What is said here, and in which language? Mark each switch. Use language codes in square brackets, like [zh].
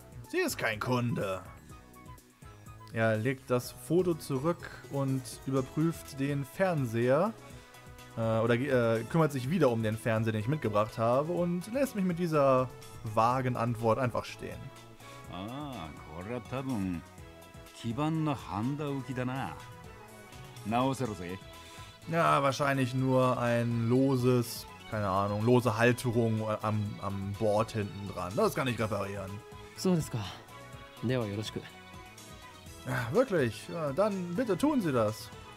[de] Sie ist kein Kunde. Er legt das Foto zurück und überprüft den Fernseher, oder kümmert sich wieder um den Fernseher, den ich mitgebracht habe, und lässt mich mit dieser vagen Antwort einfach stehen. [ja] Ah, これは多分基板のハンダ浮きだな。直せるぜ。 [de] Ja, wahrscheinlich nur ein loses, keine Ahnung, lose Halterung am Board hinten dran. Das kann ich reparieren. So ist es klar. [ja] Dewa yoroshiku. [de] Ja, wirklich? Ja, dann bitte tun Sie das.